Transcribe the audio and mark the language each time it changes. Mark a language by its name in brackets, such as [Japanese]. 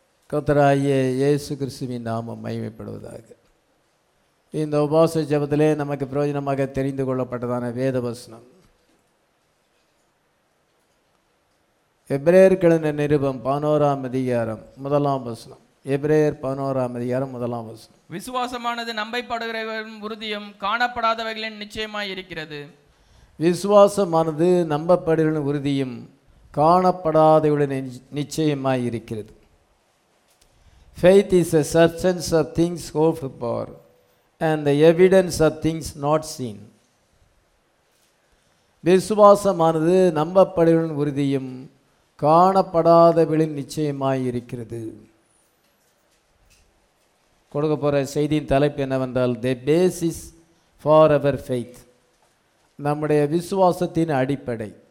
[Tamil] கர்த்தராகிய இயேசு கிறிஸ்துவின் நாமம் மகிமைப்படுவதாக. இந்த உபவாச ஜெபத்திலே நமக்கு பிரயோஜனமாக தெரிந்து கொள்ளப்பட்டதான வேத வசனம் எபிரேயர்களின் நிருபம் 11:1. எபிரேயர் 11:1. விசுவாசமானது நம்பப்படுகிறவர்களின் உறுதியும் காணப்படாதவைகளின் நிச்சயமாய் இருக்கிறது. விசுவாசமானது நம்பப்படுகிறவர்களின் உறுதியும் காணப்படாதவர்களின் நிச்சயமாய் இருக்கிறது. [English] Faith is a substance of things hoped for and the evidence of things not seen. [Tamil] விசுவாசமானது நம்பப்படுகிறவர்களின் உறுதியும் காணப்படாதவர்களின் நிச்சயமாய் இருக்கிறது. கொடுக்க போகிற செய்தியின் தலைப்பு என்னவென்றால், [English] the basis for our faith, [Tamil] நம்முடைய விசுவாசத்தின் அடிப்படை.